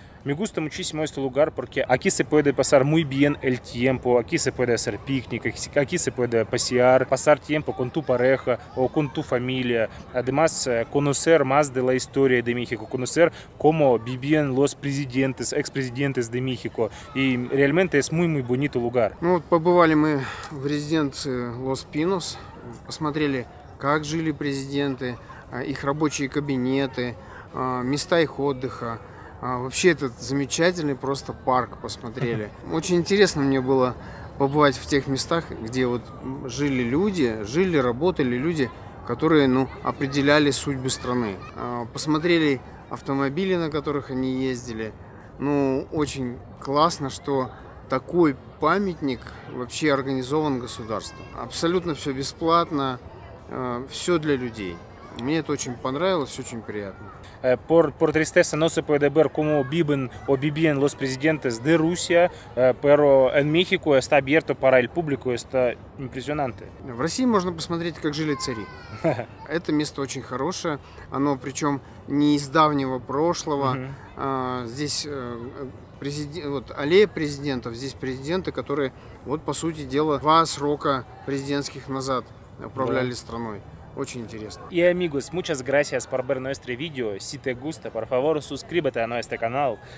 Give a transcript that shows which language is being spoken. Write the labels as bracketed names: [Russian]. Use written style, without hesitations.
[Spanish] Me gusta muchísimo este lugar porque aquí se puede pasar muy bien el tiempo, aquí se puede hacer picnic, aquí se puede pasear, pasar tiempo con tu pareja o con tu familia. Además, conocer más de la historia de México, conocer cómo vivían los presidentes, expresidentes de México. Y realmente es muy, muy bonito lugar. [Russian] Ну вот побывали мы в резиденции Los Pinos, посмотрели, как жили президенты, их рабочие кабинеты, места их отдыха. Вообще этот замечательный просто парк посмотрели. Очень интересно мне было побывать в тех местах, где вот жили люди, жили, работали люди, которые, ну, определяли судьбы страны. Посмотрели автомобили, на которых они ездили. Ну, очень классно, что такой памятник вообще организован государством. Абсолютно все бесплатно. Все для людей. Мне это очень понравилось, очень приятно. [Spanish] Por tristeza no se puede ver cómo viven o vivían los presidentes de Rusia, pero en México está abierto para el público, está impresionante. [Russian] В России можно посмотреть, как жили цари. Это место очень хорошее, оно причем не из давнего прошлого. Здесь вот аллея президентов, здесь президенты, которые вот по сути дела два срока президентских назад управляли страной. Очень интересно. [Spanish] И, amigos, muchas gracias por ver nuestro video. Si te gusta, por favor, suscríbete a nuestro canal.